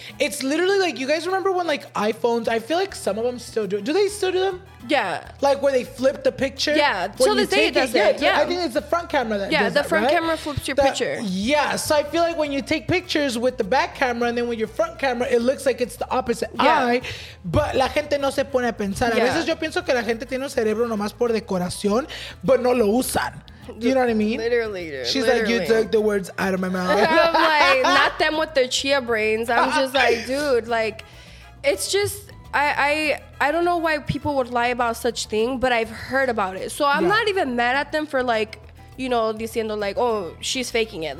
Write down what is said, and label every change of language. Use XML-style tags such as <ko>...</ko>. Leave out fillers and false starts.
<en>It's literally like, you guys remember when, like, iPhones, I feel like some of them still do it. Do they still do them? Yeah. Like, where they flip the picture? Yeah. Till this day it does it. Yeah. I think it's the front camera that does right? Yeah, the front camera flips your picture. Yeah. So I feel like when you take pictures with the back camera and then with your front camera, it looks like it's the opposite eye.</en> <es>But la gente no se pone a pensar. Yeah. A veces yo pienso que la gente tiene un cerebro nomás por decoración, but no lo usan.</es> <en>You know what I mean? Literally. She's literally. Like, you took the words out of my mouth. I'm like, not them with their chia brains. I'm just like, dude, like, it's just, I don't know why people would lie about such thing, but I've heard about it. So I'm not even mad at them for, like, you know, diciendo, like, oh, she's faking it.</en>